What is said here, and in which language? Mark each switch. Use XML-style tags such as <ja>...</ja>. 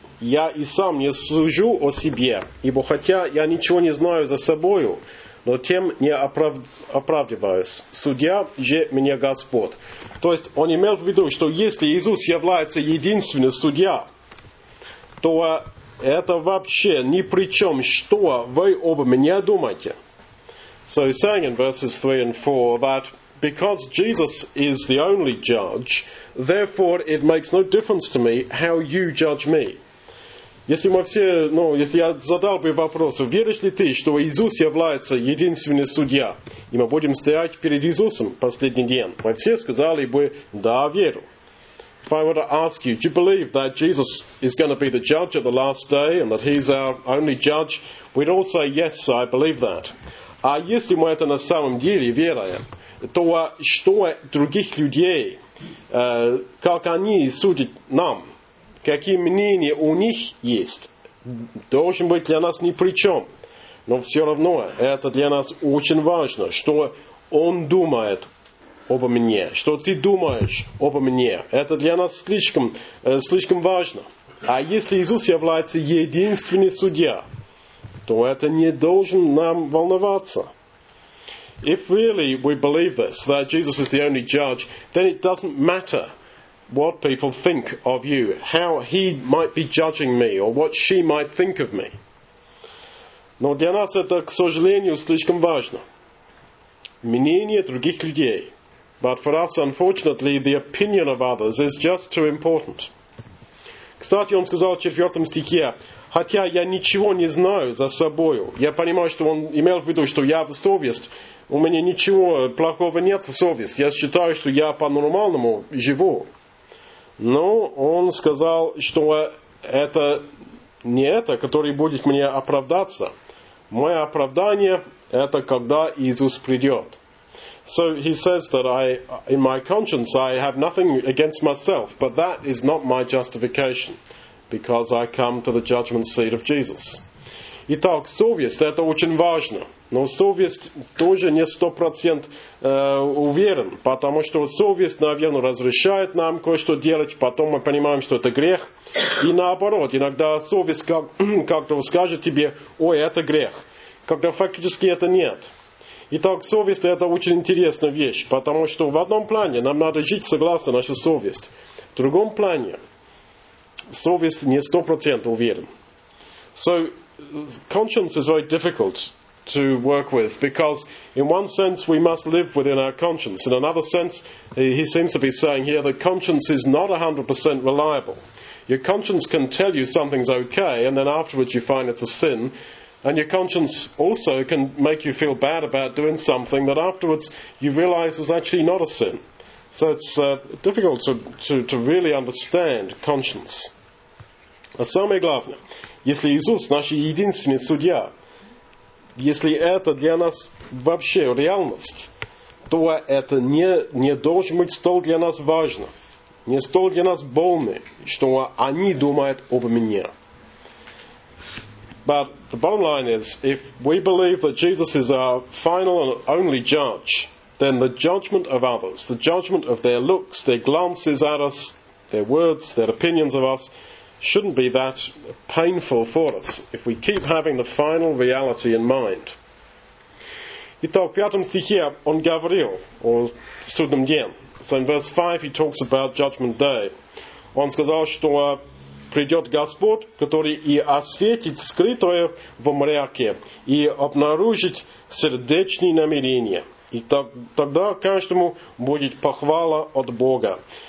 <ru>Я и сам не сужу о себе, ибо хотя я ничего не знаю за собою, но тем не оправдываюсь. Судья же меня Господь». То есть он имел в виду, что если Иисус является единственным судья, то это вообще ни при чем, что вы обо мне думаете.</ru> <en>So he's saying in verses 3 and 4 that because Jesus is the only judge, therefore it makes no difference to me how you judge me.</en> <ru>Если мы все, ну, если я задал бы вопрос, веришь ли ты, что Иисус является единственным судья, и мы будем стоять перед Иисусом последний день, мы все сказали бы, да, верю.</ru> <en>If I were to ask you, do you believe that Jesus is going to be the judge at the last day and that he's our only judge, we'd all say, yes, I believe that.</en> <ru>А если мы это на самом деле верим, то что других людей, как они судят нам? Какие мнения у них есть, должен быть для нас ни при чем. Но все равно это для нас очень важно, что он думает обо мне, что ты думаешь обо мне. Это для нас слишком важно. А если Иисус является единственным судья, то это не должен нам волноваться.</ru> <en>If really we believe this, that Jesus is the only judge, then it doesn't matter what people think of you, how he might be judging me, or what she might think of me.</en> <ru>Но для нас это, к сожалению, слишком важно. Мнение других людей.</ru> <en>But for us, unfortunately, the opinion of others is just too important.</en> <ru>Кстати, он сказал в 4 стихе, «Хотя я ничего не знаю за собою». Я понимаю, что он имел в виду, что я в совесть, у меня ничего плохого нет в совесть. Я считаю, что я по-нормальному живу. Но он сказал, что это не это, который будет мне оправдаться. Мое оправдание – это когда Иисус придет.</ru> <en>So he says that I, in my conscience, I have nothing against myself, but that is not my justification, because I come to the judgment seat of Jesus.</en> <ru>Итак, совесть – это очень важно. Но совесть тоже не 100% уверен, потому что совесть, наверное, разрешает нам кое-что делать, потом мы понимаем, что это грех. И наоборот, иногда совесть как-то скажет тебе, ой, это грех, когда фактически это нет. Итак, совесть – это очень интересная вещь, потому что в одном плане нам надо жить согласно нашей совести, в другом плане совесть не 100% уверен.</ru> <en>So, conscience is very difficult to work with, because in one sense we must live within our conscience. In another sense, he seems to be saying here that conscience is not 100% reliable. Your conscience can tell you something's okay, and then afterwards you find it's a sin, and your conscience also can make you feel bad about doing something that afterwards you realize was actually not a sin. So it's difficult to really understand conscience.</en> <ru>А самое главное, если Иисус наш единственный судья, если это для нас вообще реальность, то это не должен быть столь для нас важно, не столь для нас больно, что они думают обо мне.</ru> <en>But the bottom line is, if we believe that Jesus is our final and only judge, then the judgment of others, the judgment of their looks, their glances at us, their words, their opinions of us, shouldn't be that painful for us if we keep having the final reality in mind.</en> <ru>Итак, в пятом стихе он говорил о судном дне.</ru> <en>So in verse 5 he talks about judgment day.</en> <ru>Он сказал, что придет Господь, который и осветит скрытое во мраке и обнаружит сердечные намерения. И тогда каждому будет похвала от Бога.</ru>